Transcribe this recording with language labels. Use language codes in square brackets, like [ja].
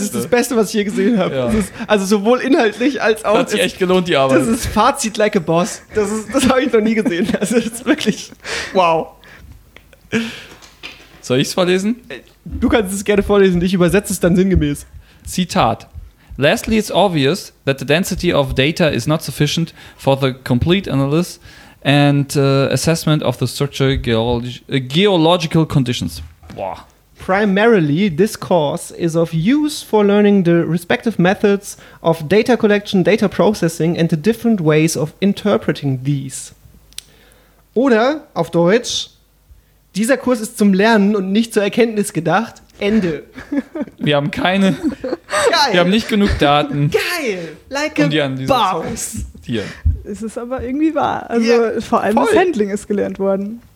[de] Es ist das Beste, was ich je gesehen habe. Ja. Also sowohl inhaltlich als auch. Hat sich echt gelohnt, die Arbeit. Das ist Fazit [en] like a Boss. [de] Das habe ich noch nie gesehen. Also das ist wirklich. Wow. Soll ich es vorlesen? Du kannst es gerne vorlesen. Ich übersetze es dann sinngemäß. Zitat. [en] Lastly, it's obvious that the density of data is not sufficient for the complete analysis and assessment of the structural geological conditions. [de] Boah. [en] Primarily, this course is of use for learning the respective methods of data collection, data processing and the different ways of interpreting these. [de] Oder auf Deutsch, dieser Kurs ist zum Lernen und nicht zur Erkenntnis gedacht. Ende. Wir haben keine. Geil. Wir haben nicht genug Daten. Geil. [en] Like a boss. [de] Hier. Es ist aber irgendwie wahr. Also yeah. Vor allem voll. Das Handling ist gelernt worden.